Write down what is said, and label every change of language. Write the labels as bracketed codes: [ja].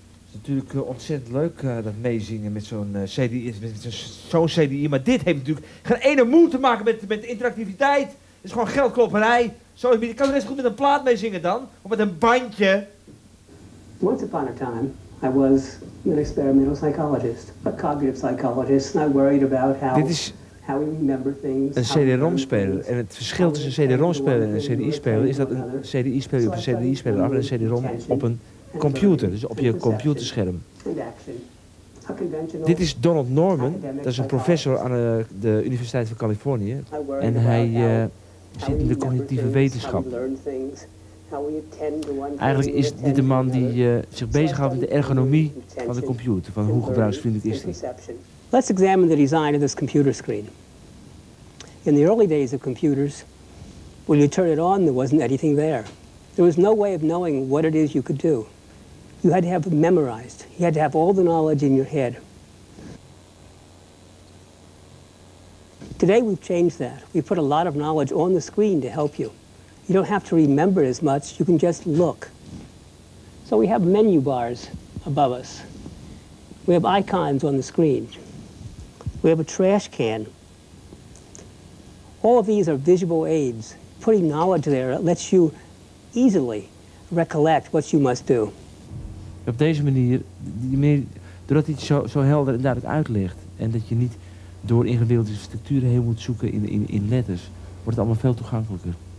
[nl] Het is natuurlijk ontzettend leuk dat meezingen met zo'n CDI, zo'n CDI, maar dit heeft natuurlijk geen ene moeite te maken met interactiviteit. Het is gewoon geldklopperij. Ik kan er eens goed met een plaat meezingen dan, of met een bandje. [en] Once upon a time, I was an experimental psychologist, a cognitive psychologist, and I worried about how we remember things. [nl] Een CD-ROM-speler. En het verschil tussen een CD-ROM-speler en een CDI-speler is dat een CD-speler op een CD-speler af en een CD-ROM op een computer, dus op je computerscherm. Dit is Donald Norman, dat is een professor aan de Universiteit van Californië. En hij zit in de cognitieve wetenschap. Eigenlijk is dit een man die zich bezighoudt met de ergonomie van de computer, van hoe gebruiksvriendelijk is die. [en] Let's examine the design of this computer screen. In the early days of computers, when you turn it on, there wasn't anything there. There was no way of knowing what it is you could do. You had to have it memorized. You had to have all the knowledge in your head. Today we've changed that. We put a lot of knowledge on the screen to help you. You don't have to remember as much, you can just look. So we have menu bars above us. We have icons on the screen. We have a trash can. All of these are visual aids. Putting knowledge there lets you easily recollect what you must do. [nl] Op deze manier, doordat hij het zo helder en duidelijk uitlegt, en dat je niet door ingewikkelde structuren heen moet zoeken in letters, wordt het allemaal veel toegankelijker.